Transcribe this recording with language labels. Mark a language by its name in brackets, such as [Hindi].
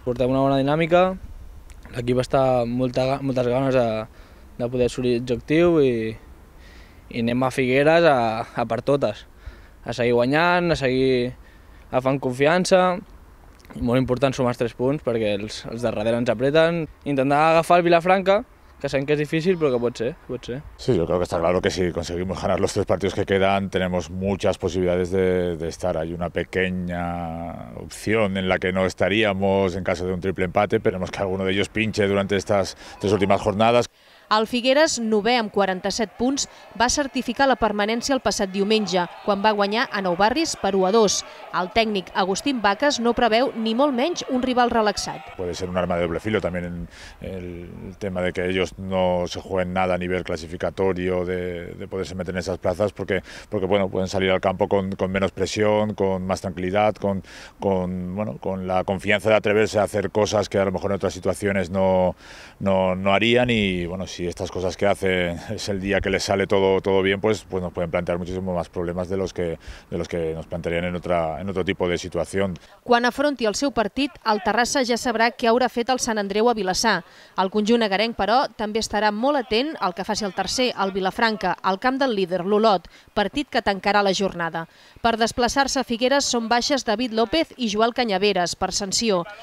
[Catalan] Portem una bona dinàmica, l'equip està moltes ganes de poder assolir l'objectiu i anem a Figueres a per totes. A seguir guanyant, a seguir agafant confiança. Molt important sumar els 3 punts perquè els de darrere ens apreten. Intentar agafar el Vilafranca, que sent que és difícil, però que pot ser, pot ser. [Spanish] Sí, yo creo que está claro que si conseguimos ganar los 3 partidos que quedan, tenemos muchas posibilidades de estar. Hay una pequeña opción en la que no estaríamos en caso de un triple empate, pero tenemos que alguno de ellos pinche durante estas 3 últimas jornadas. [Catalan] El Figueres, 9è amb 47 punts, va certificar la permanència el passat diumenge, quan va guanyar a Nou Barris per 1-2. El tècnic Agustín Vacas no preveu ni molt menys un rival relaxat. [Spanish] Puede ser un arma de doble filo también en el tema de que ellos no se jueguen nada a nivel clasificatorio de poderse meter en esas plazas, porque bueno, pueden salir al campo con menos presión, con más tranquilidad, con la confianza de atreverse a hacer cosas que a lo mejor en otras situaciones no harían y bueno, si estas cosas que hace es el día que les sale todo bien, pues nos pueden plantear muchísimo más problemas de los que nos plantearían en otro tipo de situación. [Catalan] Quan afronti el seu partit, el Terrassa ja sabrà què haurà fet el Sant Andreu a Vilassar. El conjunt agarenc, però, també estarà molt atent al que faci el tercer, el Vilafranca, al camp del líder, l'Olot, partit que tancarà la jornada. Per desplaçar-se a Figueres són baixes David López i Joel Canyaveres, per sanció.